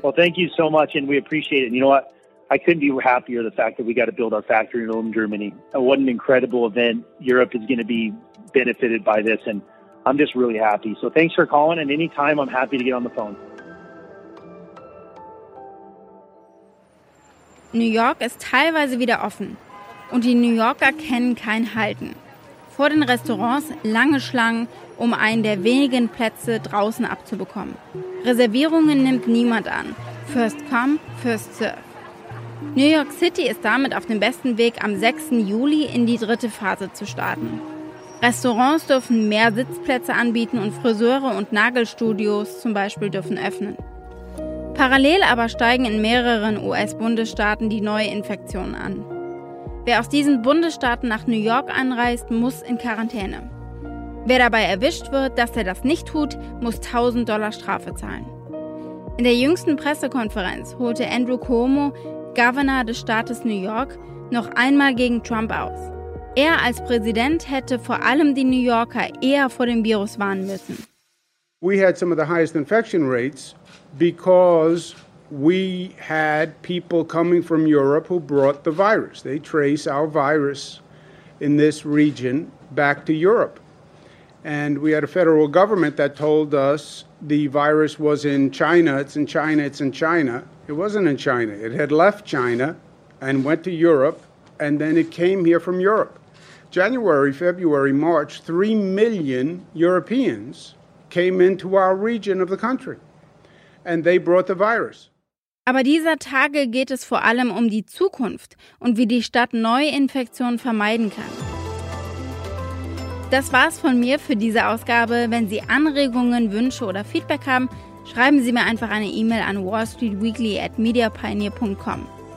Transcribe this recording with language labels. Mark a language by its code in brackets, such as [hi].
[en] Well, thank you so much. And we appreciate it. And you know what? I couldn't be happier the fact that we got to build our factory in Ulm, Germany. What an incredible event. Europe is going to be benefited by this. And I'm just really happy. So thanks for calling. And anytime, I'm happy to get on the phone. [de] New York ist teilweise wieder offen und die New Yorker kennen kein Halten. Vor den Restaurants lange Schlangen, um einen der wenigen Plätze draußen abzubekommen. Reservierungen nimmt niemand an. [en] First come, first serve. [de] New York City ist damit auf dem besten Weg, am 6. Juli in die dritte Phase zu starten. Restaurants dürfen mehr Sitzplätze anbieten und Friseure und Nagelstudios zum Beispiel dürfen öffnen. Parallel aber steigen in mehreren US-Bundesstaaten die neue Infektionen an. Wer aus diesen Bundesstaaten nach New York anreist, muss in Quarantäne. Wer dabei erwischt wird, dass er das nicht tut, muss $1,000 Strafe zahlen. In der jüngsten Pressekonferenz holte Andrew Cuomo, Governor des Staates New York, noch einmal gegen Trump aus. Er als Präsident hätte vor allem die New Yorker eher vor dem Virus warnen müssen. [en] We had some of the highest infection rates because we had people coming from Europe who brought the virus. They trace our virus in this region back to Europe. And we had a federal government that told us the virus was in China. It's in China. It's in China. It wasn't in China. It had left China and went to Europe, and then it came here from Europe. January, February, March, 3 million Europeans came into our region of the country, and they brought the virus. [de] Aber dieser Tage geht es vor allem um die Zukunft und wie die Stadt Neuinfektionen vermeiden kann. Das war's von mir für diese Ausgabe. Wenn Sie Anregungen, Wünsche oder Feedback haben, schreiben Sie mir einfach eine E-Mail an wallstreetweekly@mediapioneer.com.